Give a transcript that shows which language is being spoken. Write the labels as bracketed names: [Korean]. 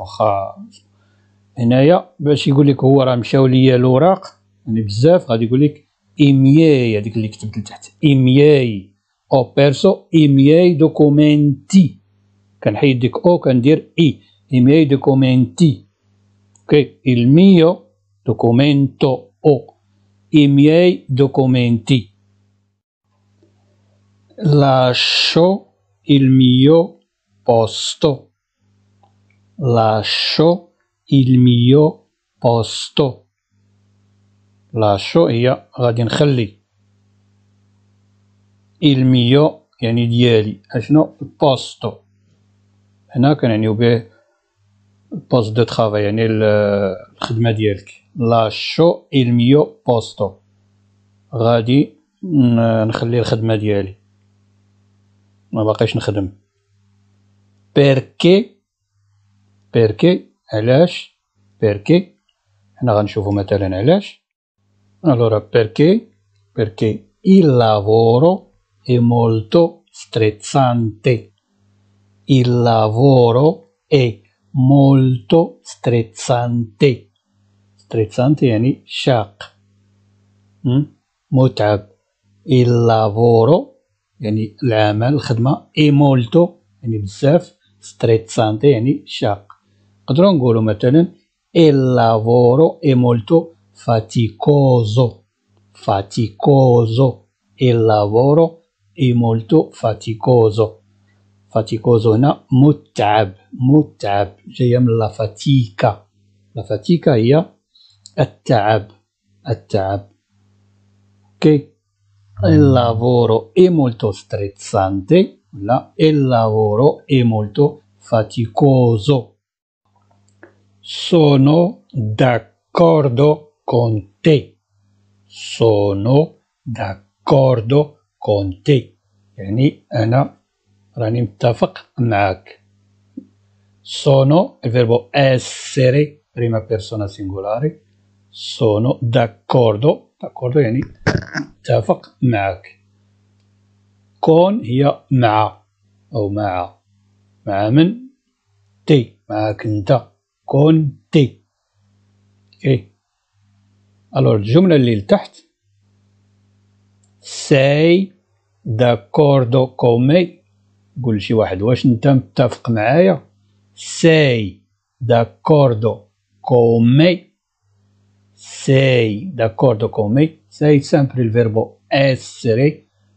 [Arabic] واخا هنايا باش يقول لك هو راه مشاو ليا الوراق يعني بزاف، غادي يقول لك ايمياي، هذيك اللي كتبت لتحت ايمياي، او بيرسو ايمياي دوكومنتي، كنحيد ديك او كندير اي، ايمياي دوكومنتي. [Italian] اوكي il mio documento o i miei documenti. lascio il mio posto, lascio il mio posto. [Arabic] lascio هي غادي نخلي، [Italian] il mio [Arabic] يعني ديالي، اشنو posto هنا كنعنيو به البوست دو ترافاي يعني الخدمه ديالك. لاشو il mio posto، غادي نخلي الخدمه ديالي، ما باقيش نخدم. بيركي، بيركي علاش، بيركي حنا غنشوفو مثلا علاش. الورا بيركي، بيركي [Italian] il lavoro è molto stressante، il lavoro è molto strezzante. [Arabic] Strezzante يعني شاق، متعب. [Italian] il lavoro [Arabic] يعني العمل، الخدمة. [Italian] e molto [Arabic] يعني بزاف، strezzante يعني شاق. نقدروا نقولوا مثلا [Italian] il lavoro è molto faticoso، faticoso. il lavoro è molto faticoso، faticoso [Arabic] هنا متعب، متعب جاية من [Italian] la fatica، la fatica [Arabic] هي التعب، التعب. [Italian] اوكي il lavoro è molto stressante، لا il lavoro è molto faticoso. sono d'accordo con te، sono d'accordo con te [Arabic] يعني انا راني متفق معاك. [Italian] Sono, il verbo essere, prima persona singolare. Sono d'accordo, d'accordo, [Arabic] يعني متفق معاك. كون هي مع أو مع من؟ تي، معاك أنت، كون تي. أوكي، ألور الجملة اللي لتحت، ساي داكوردو كومي، قول شي واحد واش أنت متفق معايا؟ ساي داكوردو كومي، ساي داكوردو كومي، ساي سامبل الفيربو إسري.